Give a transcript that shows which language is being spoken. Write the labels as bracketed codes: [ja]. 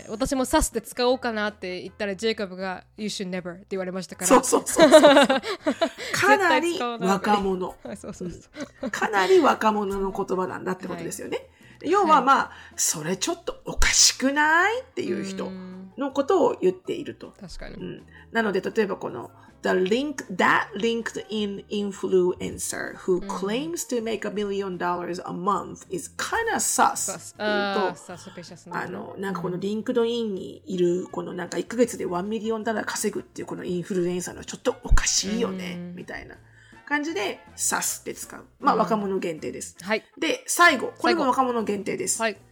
[ja] うん、私も刺すって使おうかなって言ったら、ジェイコブが [en] You should never [ja] って言われましたから。そうそうそう。かなり若者。そうそうそう。かなり若者の言葉なんだってことですよね。はい、要はまあ、はい、それちょっとおかしくないっていう人のことを言っていると。確かに。うん、なので、例えばこの [en] The link, That LinkedIn influencer who claims to make $1 million a month is kind of sus. [ja] あの、なんかこの LinkedIn にいるこのなんか1ヶ月で $1 million稼ぐっていうこのインフルエンサーのちょっとおかしいよね、みたいな感じでサスって使う、まあ、うん、若者限定です、はい、で最後これも若者限定です、はい、